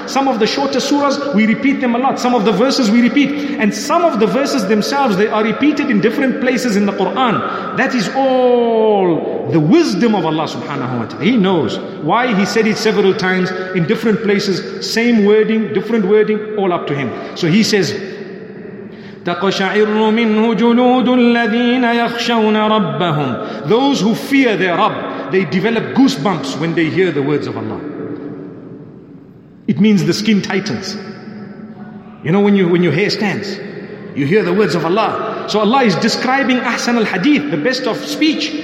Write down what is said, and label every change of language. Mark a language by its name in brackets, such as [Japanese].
[English] Some of the shorter surahs, we repeat them a lot. Some of the verses we repeat. And some of the verses themselves, they are repeated in different places in the Quran. That is all the wisdom of Allah subhanahu wa ta'ala. He knows why He said it several times in different places. Same wording, different wording, all up to Him. So He says, [Arabic] تَقْشَعِرُّ مِنْهُ جُلُودُ الَّذِينَ يَخْشَوْنَ رَبَّهُمْ. [English] Those who fear their Rabb, they develop goosebumps when they hear the words of Allah. It means the skin tightens. You know, when your hair stands, you hear the words of Allah. So Allah is describing Ahsan al-Hadith, the best of speech.